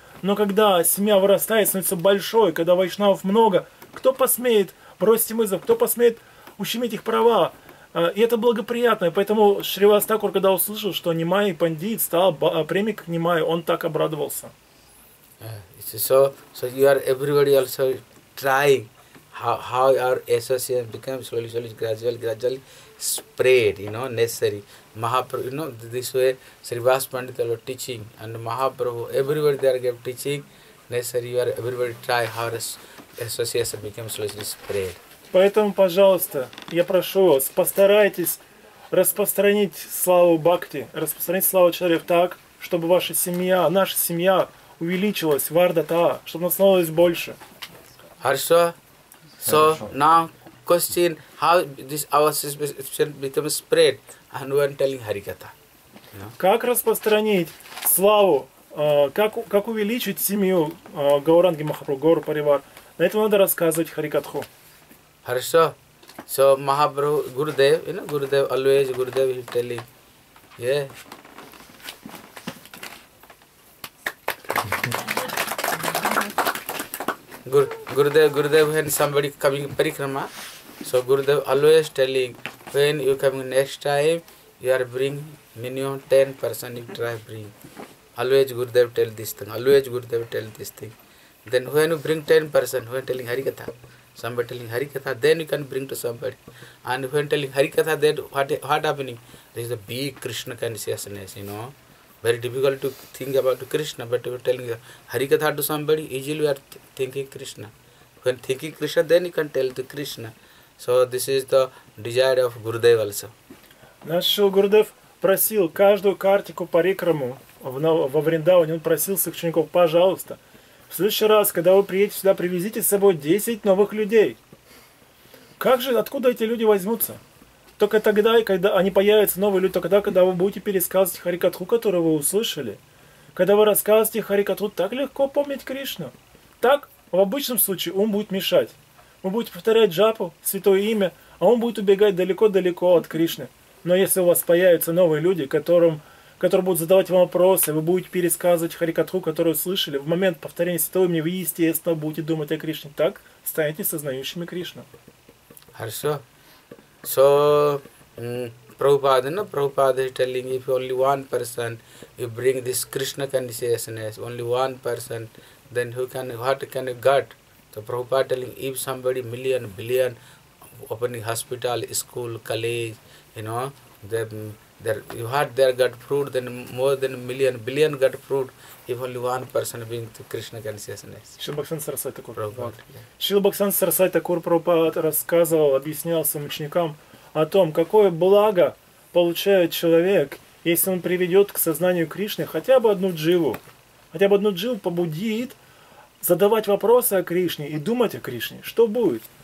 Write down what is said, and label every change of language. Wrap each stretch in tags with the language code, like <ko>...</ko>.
<ru>Но когда семья вырастает, становится большой, когда вайшнавов много, кто посмеет бросить вызов, кто посмеет ущемить их права? И это благоприятно, поэтому Шривастакур, когда услышал, что Нимай Пандит стал премик Нимай, он так обрадовался.</ru> <en>So you are everybody also trying how our association becomes slowly, slowly, gradually spread, you know, necessary. Mahaprabhu, you know, this way Srivas Pandit are teaching and Mahaprabhu, everybody there gave teaching, necessary, you are everybody try how our association becomes slowly spread.</en> <ru>Поэтому, пожалуйста, я прошу вас, постарайтесь распространить славу Бхакти, распространить славу Чаривтак, чтобы ваша семья, наша семья увеличилась, вардата, чтобы нас становилось больше. Хорошо.</ru> <en>So now question, how this our spiritual becomes spread, and we are telling Harikatha.</en> <ru>Как распространить славу, как увеличить семью Гауранги Махапрабху, Гору Паривар? На этом надо рассказывать Харикатху. Хорошо.</ru> <en>So Mahaprabhu, Gurudev, you know, Gurudev, always Gurudev is telling. Yeah. Gurudev, when somebody coming parikrama, so Gurudev always telling, when you coming next time, you are bring minimum 10 person you try bring. Always Gurudev tell this thing, Then when you bring 10 person, when telling Harikatha, somebody telling Harikatha, then you can bring to somebody. And when telling Harikatha, then what happening? There is a big Krishna consciousness, you know. Very difficult to think about Krishna, but we are telling Harikatha to somebody, easily we are thinking Krishna. When thinking Krishna, then you can tell the Krishna. So this is the desire of Gurudev also.</en> <ru>Наш Шрила Гурудев просил каждую картику парикраму во Вриндаване, он просил своих учеников, пожалуйста, в следующий раз, когда вы приедете сюда, привезите с собой 10 новых людей. Как же, откуда эти люди возьмутся? Только тогда, когда они появятся, новые люди, только тогда, когда вы будете пересказывать Харикатху, которую вы услышали. Когда вы рассказываете Харикатху, так легко помнить Кришну. Так, в обычном случае, ум будет мешать. Вы будете повторять джапу, святое имя, а ум будет убегать далеко-далеко от Кришны. Но если у вас появятся новые люди, которые будут задавать вам вопросы, вы будете пересказывать Харикатху, которую слышали, в момент повторения святого имени, вы, естественно, будете думать о Кришне. Так, станете сознающими Кришну. Хорошо.</ru> <en>So, Prabhupada, no? Prabhupada is telling, if only one person, you bring this Krishna consciousness, only one person, then what can you get? So Prabhupada is telling, if somebody, million, billion, opening hospital, school, college, you know, they got fruit, then more than million, billion got fruit, if only one person brings the Krishna consciousness.</en> <ru>Шрила Бхактисиддханта Сарасвати Такур. Шрила Бхактисиддханта Сарасвати Такур Прабхупада рассказывал, объяснял своим ученикам о том, какое благо получает человек, если он приведет к сознанию Кришны хотя бы одну дживу. Хотя бы одну дживу побудит задавать вопросы о Кришне и думать о Кришне. Что будет?</ru>